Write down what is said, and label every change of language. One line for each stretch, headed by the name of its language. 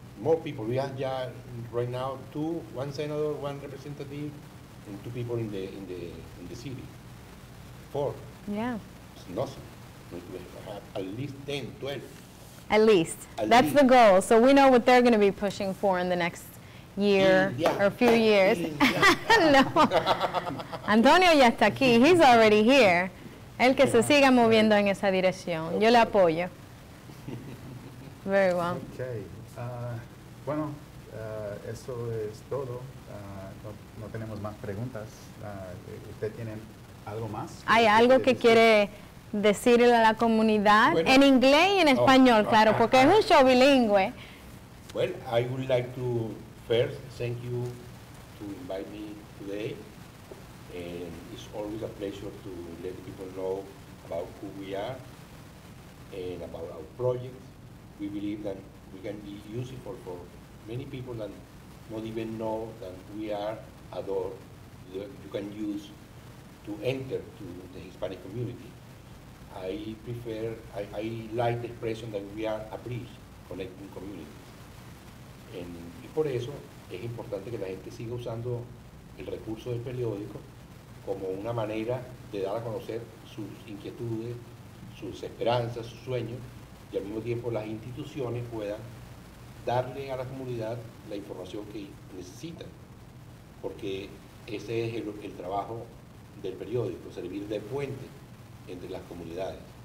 English: We have right now one senator, one representative, and 2 people in the city. 4. Yeah. It's nothing. We have at least 10, 12. That's the goal. So we know what they're going to be pushing for in the next year or a few years.
Spanish: No. Antonio ya está aquí.
English: He's already here.
Spanish: El que se siga moviendo en esa dirección. Yo le apoyo.
English: Very well.
Spanish: Okay. Bueno, eso es todo. No tenemos más preguntas. ¿Usted tiene algo más? Hay algo que quiere decirle a la comunidad en inglés y en español, claro, porque es un show bilingüe.
English: Well, I would like to first thank you to invite me today. And it's always a pleasure to let people know about who we are and about our projects. We believe that we can be useful for many people that don't even know that we are a door that you can use to enter to the Hispanic community. I like the expression that we are a bridge, connecting communities.
Spanish: Y por eso es importante que la gente siga usando el recurso del periódico como una manera de dar a conocer sus inquietudes, sus esperanzas, sus sueños, y al mismo tiempo las instituciones puedan darle a la comunidad la información que necesitan, porque ese es el trabajo del periódico, servir de puente entre las comunidades.